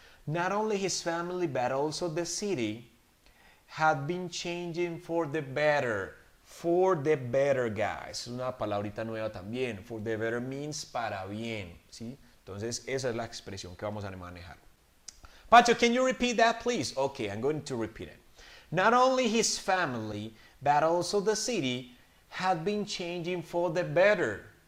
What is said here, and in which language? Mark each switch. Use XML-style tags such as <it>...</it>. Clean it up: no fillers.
<en>Not only his family, but also the city had been changing for the better, guys.</en> <es>Es una palabrita nueva también.</es> <en>For the better means</en> <es>para bien,</es> <en>¿sí?</en> <es>Entonces, esa es la expresión que vamos a manejar.</es> <en>Pacho, can you repeat that, please? Okay, I'm going to repeat it. Not only his family, but also the city had been changing for the better.</en>